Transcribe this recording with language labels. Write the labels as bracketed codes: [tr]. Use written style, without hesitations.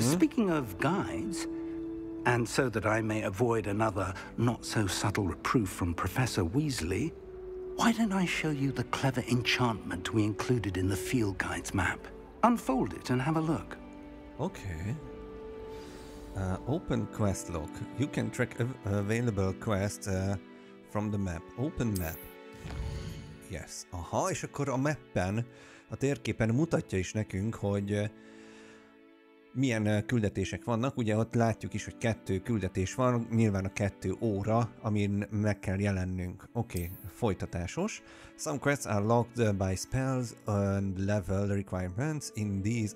[en] Speaking of guides, and so that I may avoid another not-so-subtle reproof from Professor Weasley, why don't I show you the clever enchantment we included in the field guide's map? Unfold it and have a look. Okay. Open quest log. You can track available quests from the map. Open map. Yes. [hu] Aha, és akkor a mappen, a térképen mutatja is nekünk, hogy milyen küldetések vannak. Ugye ott látjuk is, hogy 2 küldetés van, nyilván a 2 óra, amin meg kell jelennünk. Okay, folytatásos. [en] Some quests are locked by spells and level requirements in these.